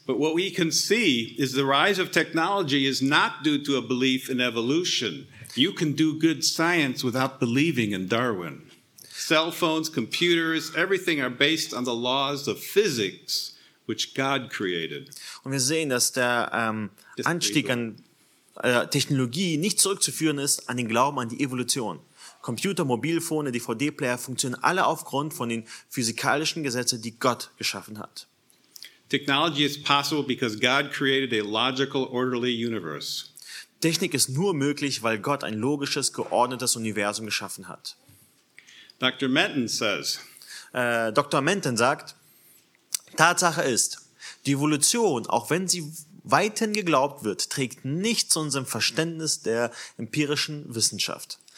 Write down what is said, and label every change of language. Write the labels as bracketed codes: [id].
[en] But what we can see is the rise of technology is not due to a belief in evolution. You can do good science without believing in Darwin. Cell phones, computers, everything are based on the laws of physics, which God created. [de] Und wir sehen, dass der Anstieg an Technologie nicht zurückzuführen ist an den Glauben an die Evolution. Computer, Mobilfone, DVD-Player funktionieren alle aufgrund von den physikalischen Gesetzen, die Gott geschaffen hat. [en] Technology is possible because God created a logical, orderly universe. [de] Technik ist nur möglich, weil Gott ein logisches, geordnetes Universum geschaffen hat. [en] Dr. Menten says, Dr. [de] Menten sagt, Tatsache ist, die Evolution, auch wenn sie weithin geglaubt wird, trägt nicht zu unserem Verständnis der empirischen Wissenschaft.